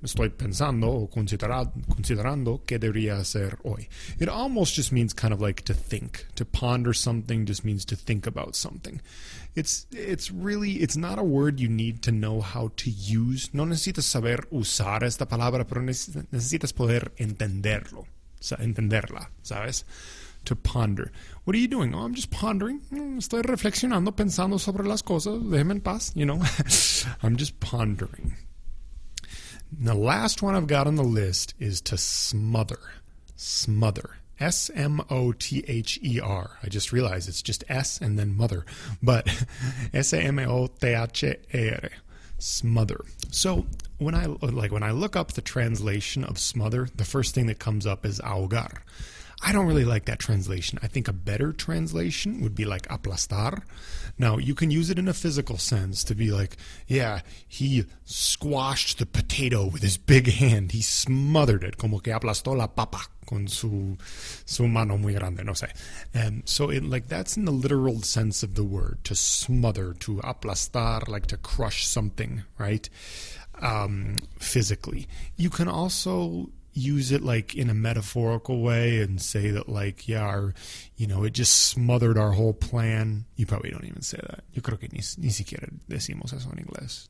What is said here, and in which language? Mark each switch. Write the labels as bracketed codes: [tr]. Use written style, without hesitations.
[es] Estoy pensando o considerando qué debería hacer hoy. [en] It almost just means kind of like to think. To ponder something just means to think about something. It's not a word you need to know how to use. [es] No necesitas saber usar esta palabra, pero necesitas poder entenderlo. Entenderla, ¿sabes? [en] To ponder. What are you doing? Oh, I'm just pondering. [es] Estoy reflexionando, pensando sobre las cosas. Déjeme en paz, [en] you know. I'm just pondering. And the last one I've got on the list is to smother. Smother. S-M-O-T-H-E-R. I just realized it's just S and then mother. But S-A-M-O-T-H-E-R. Smother. So when I look up the translation of smother, the first thing that comes up is ahogar. I don't really like that translation. I think a better translation would be like aplastar. Now, you can use it in a physical sense to be like, yeah, he squashed the potato with his big hand. He smothered it. [es] Como que aplastó la papa con su mano muy grande, no sé. [en] And so it, like, that's in the literal sense of the word, to smother, to aplastar, like to crush something, right? Physically. You can also use it like in a metaphorical way and say that, like, yeah, our, you know, it just smothered our whole plan. You probably don't even say that. [es] Yo creo que ni siquiera decimos eso en inglés.